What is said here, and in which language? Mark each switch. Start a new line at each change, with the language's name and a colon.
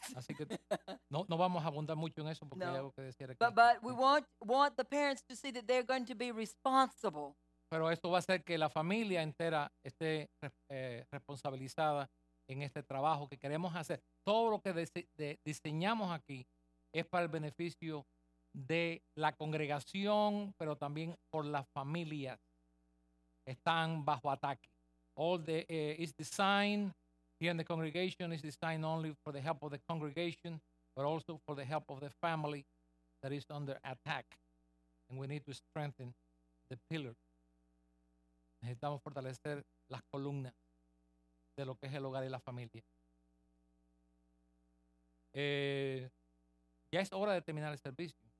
Spanish: Así que no vamos a abundar mucho en eso porque hay algo que decir aquí.
English: But we want the parents to see that they're going to be responsible.
Spanish: Pero esto va a hacer que la familia entera esté responsabilizada en este trabajo que queremos hacer. Todo lo que diseñamos aquí es para el beneficio de la congregación, pero también por las familias. Están bajo ataque.
English: All the is designed here in the congregation is designed only for the help of the congregation, but also for the help of the family that is under attack. And we need to strengthen the pillar.
Spanish: Necesitamos fortalecer las columnas de lo que es el hogar y la familia. Ya es hora de terminar el servicio.